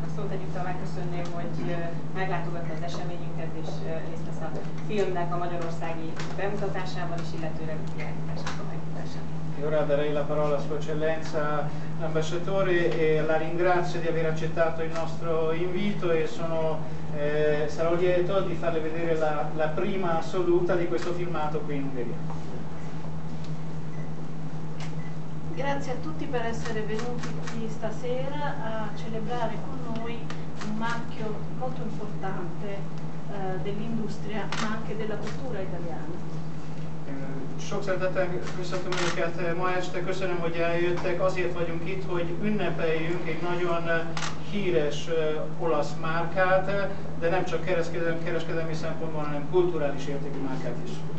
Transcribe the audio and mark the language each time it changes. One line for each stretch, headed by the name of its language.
Hungarian: Együtt megköszönném, hogy meglátogatta az eseményünket, és részt vesz a filmnek a magyarországi bemutatásában is, illetőleg a kiállításában.
Italian: E ora darei la parola a Sua Eccellenza l'Ambasciatore e la ringrazio di aver accettato il nostro invito e sarò lieto di farle vedere la prima assoluta di questo filmato qui in Ungheria. Grazie a tutti per essere venuti qui stasera a celebrare con noi un marchio molto importante dell'industria, ma anche della cultura italiana.
Hungarian: Sok szeretettel köszöntöm Önöket ma este, köszönöm, hogy eljöttek. Azért vagyunk itt, hogy ünnepeljünk egy nagyon híres olasz márkát, de nem csak kereskedelmi szempontból, hanem kulturális értékű márkát is.